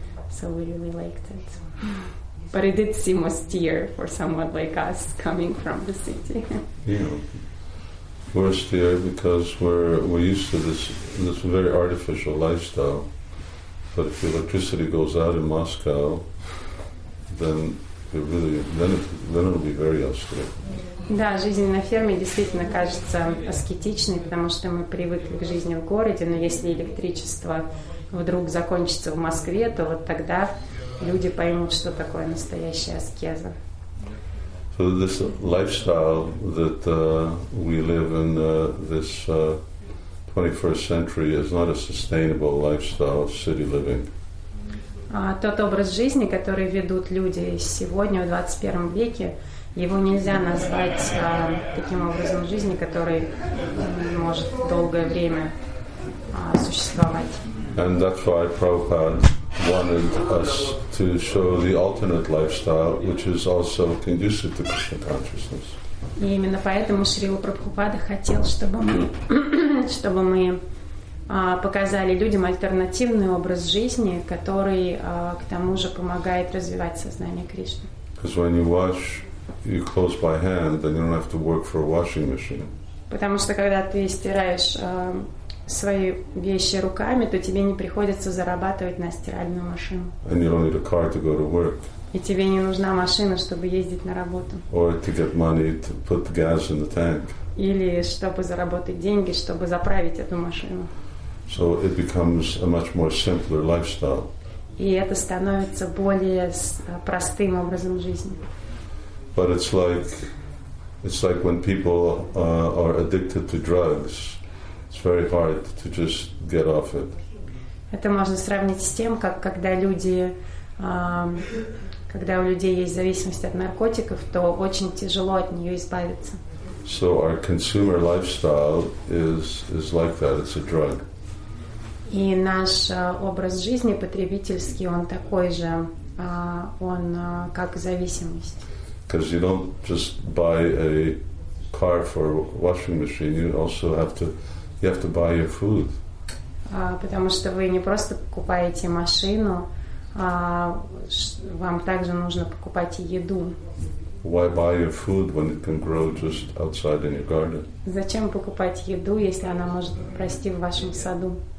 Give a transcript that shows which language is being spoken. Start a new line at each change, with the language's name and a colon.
English: So we really liked it. But it did seem austere for someone like us coming from the city. Yeah, we're austere because we're used to this very artificial lifestyle. But if the electricity goes out in Moscow, then it'll be very austere.
Russian: Да, жизнь на ферме действительно кажется аскетичной, потому что мы привыкли к жизни в городе. Но если электричество вдруг закончится в Москве, то вот тогда люди поймут, что такое настоящая аскеза.
English: So this lifestyle that we live in this 21st century is not a sustainable lifestyle of city living.
Russian: Тот образ жизни, который ведут люди сегодня, в 21 веке, его нельзя назвать таким образом жизни, который может долгое время существовать.
English: And that's why Prabhupada wanted us to show the alternate lifestyle, which is also conducive to Krishna consciousness.
Russian: И именно поэтому Шрила Прабхупада хотел, чтобы мы показали людям альтернативный образ жизни, который к тому же помогает развивать сознание Кришны.
English: Because when you wash your clothes by hand, then you don't have to work for a washing machine.
Russian: Потому что когда ты стираешь свои вещи руками, то тебе не приходится зарабатывать на стиральную машину.
English: And you don't need a car to go to work.
Russian: И тебе не нужна машина, чтобы ездить на работу.
English: Or to get money to put gas in the tank.
Russian: Или чтобы заработать деньги, чтобы заправить эту машину.
English: So it becomes a much more simpler lifestyle.
Russian: И это становится более простым образом жизни.
English: But it's like when people are addicted to drugs. It's very hard to just get off it.
Russian: Это можно сравнить с тем, как когда люди, когда у людей есть зависимость от наркотиков, то очень тяжело от нее избавиться.
English: So our consumer lifestyle is like that. It's a drug.
Russian: И наш образ жизни потребительский, он такой же, он как зависимость.
English: Because you don't just buy a car for a washing machine. You also have to buy your food.
Russian: Потому что вы не просто покупаете машину, вам также нужно покупать еду.
English: Why buy your food when it can grow just outside in your garden?
Russian: Зачем покупать еду, если она может расти в вашем саду?